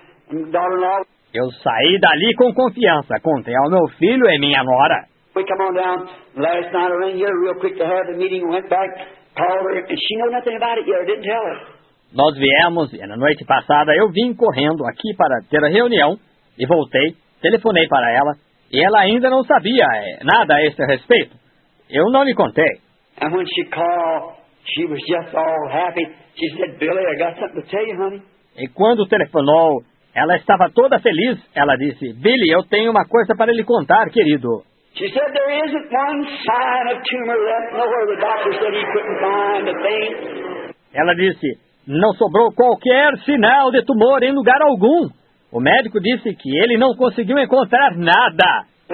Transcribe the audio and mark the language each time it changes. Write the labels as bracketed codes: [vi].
[pt] Eu saí dali com confiança. Contei ao meu filho e minha nora. [en] We come on down last night. I ran here real quick to have the meeting. Went back, called her, and she knew nothing about it yet. I didn't tell her. [pt] Nós viemos, e na noite passada eu vim correndo aqui para ter a reunião, e voltei, telefonei para ela, e ela ainda não sabia nada a esse respeito. Eu não lhe contei. [en] And when she called, she was just all happy. She said, Billy, I got something to tell you, honey. [pt] E quando telefonou, ela estava toda feliz. Ela disse, Billy, eu tenho uma coisa para lhe contar, querido. [en] She said, there isn't one sign of tumor left nowhere. The doctor said he couldn't find a thing. [pt] Ela disse, não sobrou qualquer sinal de tumor em lugar algum. O médico disse que ele não conseguiu encontrar nada.